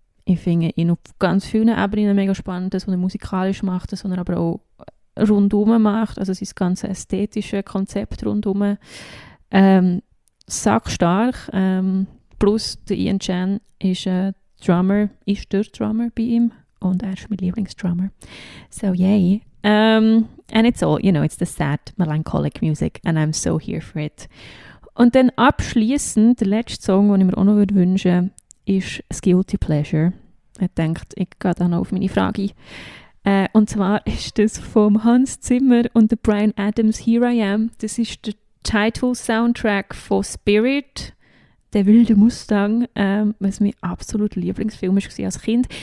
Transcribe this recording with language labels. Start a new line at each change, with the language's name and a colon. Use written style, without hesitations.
German: Ich finde ihn auf ganz vielen Ebenen mega spannend, dass er musikalisch macht, dass er aber auch rundum macht, also sein ganzes ästhetisches Konzept rundum. Sackstark. Plus der Ian Chan ist ein Drummer, ist der Drummer bei ihm und er ist mein Lieblingsdrummer.
English: So yay. And it's all, you know, it's the sad, melancholic music and I'm so here for it.
German: Und dann abschließend der letzte Song, den ich mir auch noch wünschen würde, ist Guilty Pleasure. Ich denke, ich gehe dann auf meine Frage. Und zwar ist das vom Hans Zimmer und der Bryan Adams Here I Am. Das ist der Title-Soundtrack von Spirit, Der wilde Mustang, was mein absolut Lieblingsfilm war als Kind.